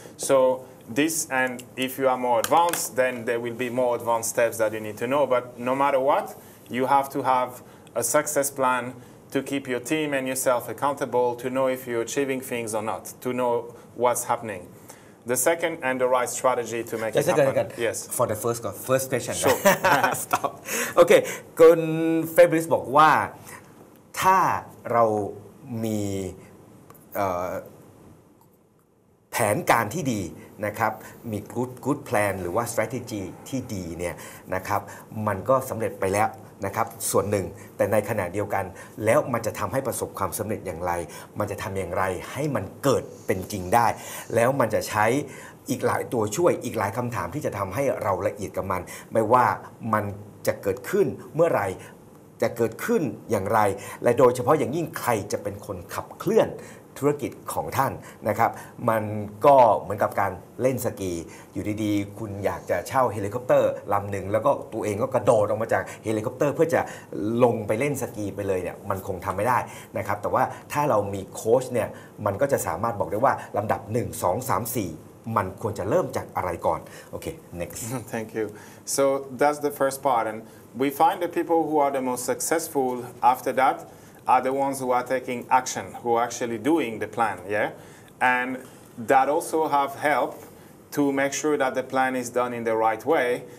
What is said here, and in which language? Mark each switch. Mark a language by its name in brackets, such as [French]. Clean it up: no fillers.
[English] so this and if you are more advanced then there will be more advanced steps that you need to know but no matter what you have to have a success plan to keep your team and yourself accountable to know if you're achieving things or not to know what's happening the second and the right strategy to make it happen yes for the first question sure. [Thai] stop okay คุณ Fabrice บอกว่าถ้าเรามีแผนการที่ดีนะครับมี [English] good plan [Thai] หรือว่า strategy ที่ดีเนี่ยนะครับมันก็สำเร็จไปแล้วนะครับส่วนหนึ่งแต่ในขณะเดียวกันแล้วมันจะทำให้ประสบความสำเร็จอย่างไรมันจะทำอย่างไรให้มันเกิดเป็นจริงได้แล้วมันจะใช้ อีกหลายตัวช่วยอีกหลายคำถามที่จะทำให้เราละเอียดกับมันไม่ว่ามันจะเกิดขึ้นเมื่อไหร่ จะเกิดขึ้นอย่างไรและโดยเฉพาะอย่างยิ่งใครจะเป็นคนขับเคลื่อนธุรกิจของท่านนะครับมันก็เหมือนกับการเล่นสกีอยู่ดีๆคุณอยากจะเช่าเฮลิคอปเตอร์ลำหนึ่งแล้วก็ตัวเองก็กระโดดออกมาจากเฮลิคอปเตอร์เพื่อจะลงไปเล่นสกีไปเลยเนี่ยมันคงทำไม่ได้นะครับแต่ว่าถ้าเรามีโค้ชเนี่ยมันก็จะสามารถบอกได้ว่าลำดับ1 2 3 4มันควรจะเริ่มจากอะไรก่อนโอเค next [English] thank you so that's the first part andWe find the people who are the most successful after that are the ones who are taking action, who are actually doing the plan, yeah? And that also have help to make sure that the plan is done in the right way.